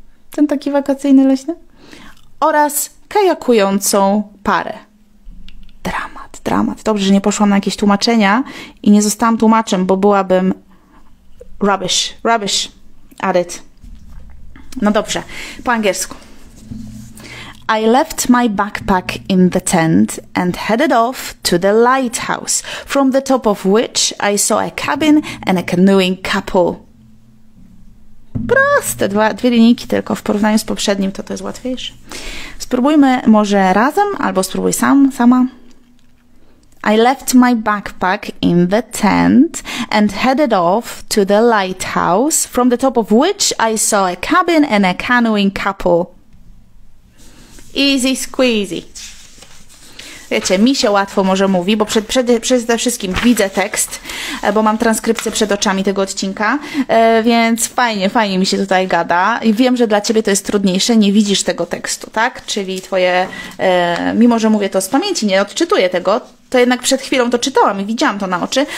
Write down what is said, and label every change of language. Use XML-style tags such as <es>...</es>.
<pl>Ten taki wakacyjny leśny. Oraz kajakującą parę. Dramat, dramat. Dobrze, że nie poszłam na jakieś tłumaczenia i nie zostałam tłumaczem, bo byłabym</pl> <en>rubbish at it.</en> <pl>No dobrze, po angielsku.</pl> <en>I left my backpack in the tent and headed off to the lighthouse, from the top of which I saw a cabin and a canoeing couple.</en> <pl>Proste, dwie linijki tylko, w porównaniu z poprzednim to jest łatwiejsze. Spróbujmy może razem, albo spróbuj sama.</pl> <en>I left my backpack in the tent and headed off to the lighthouse, from the top of which I saw a cabin and a canoeing couple. Easy squeezy.</en> <pl>Wiecie, mi się łatwo może mówi, bo przede wszystkim widzę tekst, bo mam transkrypcję przed oczami tego odcinka, więc fajnie mi się tutaj gada. I wiem, że dla Ciebie to jest trudniejsze, nie widzisz tego tekstu, tak? Czyli Twoje, mimo że mówię to z pamięci, nie odczytuję tego, to jednak przed chwilą to czytałam i widziałam to na oczy.</pl>